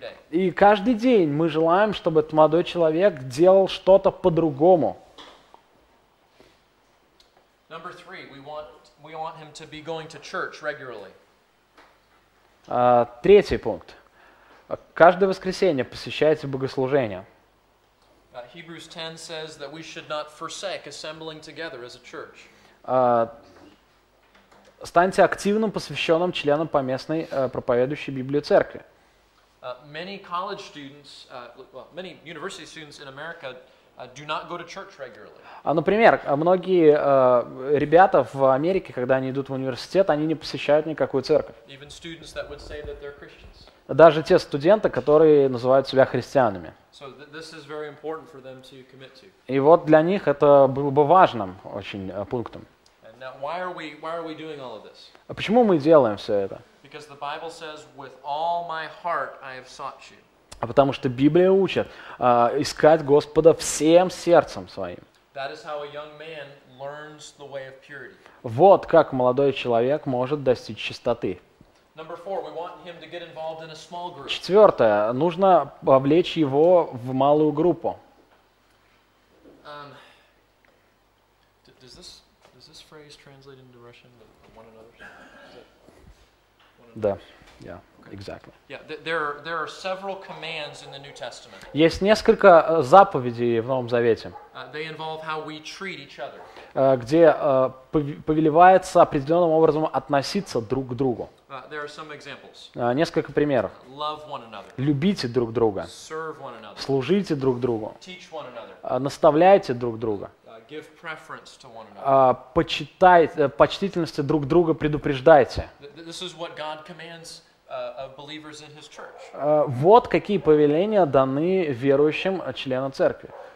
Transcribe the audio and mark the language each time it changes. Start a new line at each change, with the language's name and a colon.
Russian: И каждый день мы желаем, чтобы этот молодой человек делал что-то по-другому.
English: Number three, we want him to be going to church regularly.
Russian: Третий пункт. Каждое воскресенье посещайте богослужение.
English: Hebrews 10 says that we should not forsake assembling together as a church.
Russian: Станьте активным посвященным членом по местной проповедующей Библию церкви.
English: Many college students, many university students in America do not go to church regularly.
Russian: Например, многие ребята в Америке, когда они идут в университет, они не посещают никакую церковь.
English: Even students that would say that they're Christians.
Russian: Даже те студенты, которые называют себя христианами.
English: So this is very important for them to commit to.
Russian: И вот для них это было бы важным очень пунктом.
English: And now, why are we doing all of this?
Russian: А почему мы делаем все это?
English: Because the Bible says, with all my heart I have sought you.
Russian: А потому что Библия учит искать Господа всем сердцем своим.
English: That is how a young man learns the way of purity.
Russian: Вот как молодой человек может достичь чистоты.
English: Number four, we want him to get involved in a small group.
Russian: Четвертое, нужно вовлечь его в малую группу.
English: Does this phrase translate into Russian? One another?
Russian: Да.
English: Yeah, okay. Exactly. Yeah, there are several commands in the New Testament.
Russian: Есть несколько заповедей в Новом Завете.
English: They involve how we treat each other.
Russian: Где повелевается определенным образом относиться друг к другу.
English: There are some examples.
Russian: Несколько примеров.
English: Love one another.
Russian: Любите друг друга.
English: Serve one another.
Russian: Служите друг другу.
English: Teach one another.
Russian: Наставляйте друг друга.
English: Give preference to one another.
Russian: Почтительности друг друга предупреждайте.
English: This is what God commands of believers in His church.
Russian: Вот какие повеления даны верующим членам церкви.